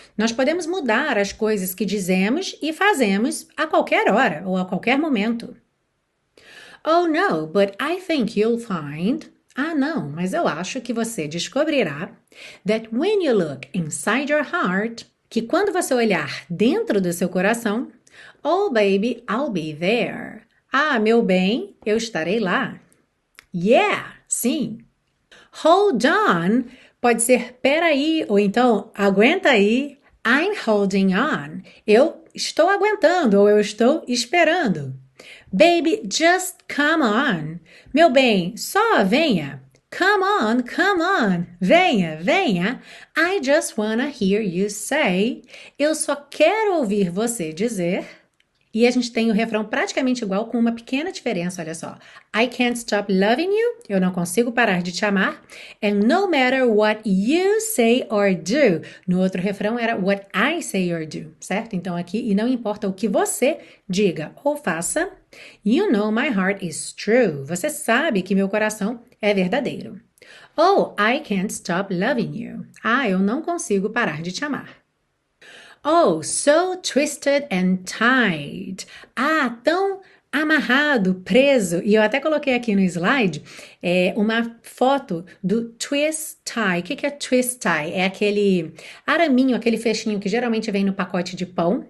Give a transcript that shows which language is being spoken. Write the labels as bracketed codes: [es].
[pt] Nós podemos mudar as coisas que dizemos e fazemos a qualquer hora ou a qualquer momento. [en] Oh no, but I think you'll find. [pt] Ah, não, mas eu acho que você descobrirá [en] that when you look inside your heart, [pt] que quando você olhar dentro do seu coração, [en] oh baby, I'll be there. [pt] Ah, meu bem, eu estarei lá. Yeah, sim. Hold on, pode ser peraí, ou então aguenta aí. [en] I'm holding on. [pt] Eu estou aguentando, ou eu estou esperando. [en] Baby, just come on. [pt] Meu bem, só venha. [en] Come on, come on. [pt] Venha, venha. [en] I just wanna hear you say. [pt] Eu só quero ouvir você dizer. E a gente tem o refrão praticamente igual, com uma pequena diferença, olha só. [en] I can't stop loving you. [pt] Eu não consigo parar de te amar. [en] And no matter what you say or do. [pt] No outro refrão era [en] what I say or do, [pt] certo? Então aqui, e não importa o que você diga ou faça, [en] you know my heart is true. [pt] Você sabe que meu coração é verdadeiro. [en] Oh, I can't stop loving you. [pt] Ah, eu não consigo parar de te amar. [en] Oh, so twisted and tied. [pt] Ah, tão amarrado, preso. E eu até coloquei aqui no slide uma foto do twist tie. O que que é twist tie? É aquele araminho, aquele fechinho que geralmente vem no pacote de pão.